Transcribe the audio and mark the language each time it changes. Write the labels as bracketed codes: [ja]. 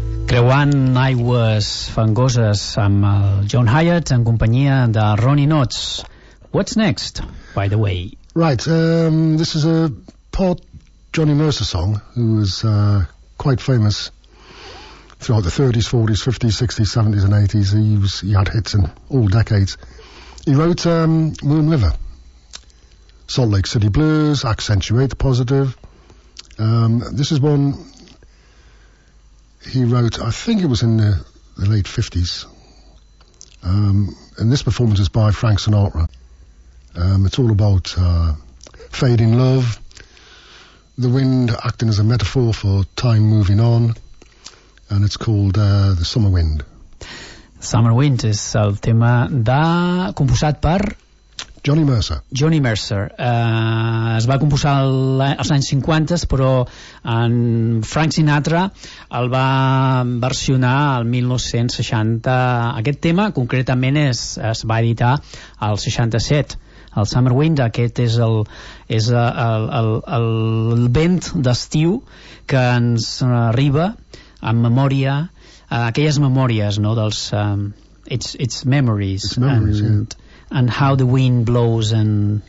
[ca] Creuant aigües fangoses amb el John Hiatt en companyia de Ronnie Knotts. [en] What's next, by the way? Right, this is a part Johnny Mercer song, who was quite famous throughout the 30s, 40s, 50s, 60s, 70s and 80s. He had hits in all decades. He wrote Moon River, Salt Lake City Blues, Accentuate the Positive. This is one he wrote, I think it was in the late 50s. And this performance is by Frank Sinatra. It's all about fading love, the wind acting as a metaphor for time moving on, and it's called The Summer Wind. [ca] Summer Wind és el tema de... composat per... Johnny Mercer. Johnny Mercer. Es va composar als anys 50, però en Frank Sinatra el va versionar al 1960. Aquest tema concretament es va editar al 67. El Summer Wind, aquest és el vent d'estiu que ens arriba en memòria, aquelles memòries, no, dels [en] it's memories, and, yeah, and how the wind blows and